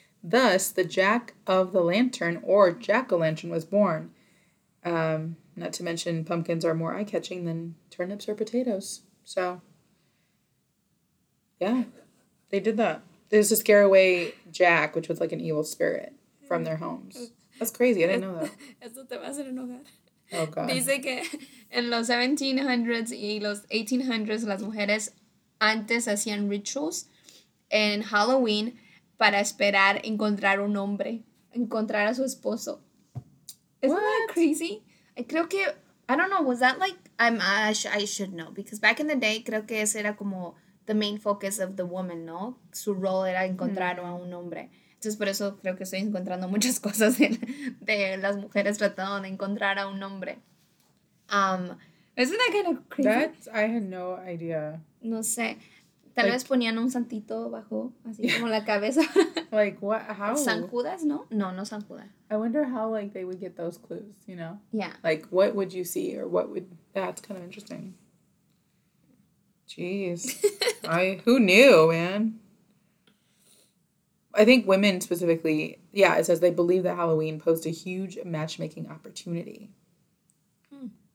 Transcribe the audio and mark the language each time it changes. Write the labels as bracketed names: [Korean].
[English] Thus, the Jack of the Lantern or Jack-o'-lantern was born. Not to mention pumpkins are more eye-catching than turnips or potatoes. So, yeah, they did that. This is to scare away Jack, which was like an evil spirit, from their homes. That's crazy. I didn't know that. [Spanish] Eso te va a hacer enojar. [English] Oh, God. [Spanish] Dice que en los 1700s y los 1800s, las mujeres antes hacían rituals en Halloween para esperar encontrar un hombre, encontrar a su esposo. [English] Isn't what? That crazy? I [Spanish] creo que, [English] I don't know, was that like, I should know. Because back in the day, [Spanish] creo que ese era como [English] the main focus of the woman, [Spanish] ¿no? Su rol era encontrar a un hombre. Entonces, por eso creo que estoy encontrando muchas cosas de las mujeres tratando de encontrar a un hombre. [English] Isn't that kind of crazy? That's, I had no idea. [Spanish] No sé. Tal like, vez ponían un santito bajo, así yeah. como la cabeza. [English] Like, what? How? [Spanish] San Judas, ¿no? No, no San Judas. [English] I wonder how, like, they would get those clues, you know? Yeah. Like, what would you see or what would... That's kind of interesting. Jeez. Who knew, man? I think women specifically, yeah, it says they believe that Halloween posed a huge matchmaking opportunity. Hmm.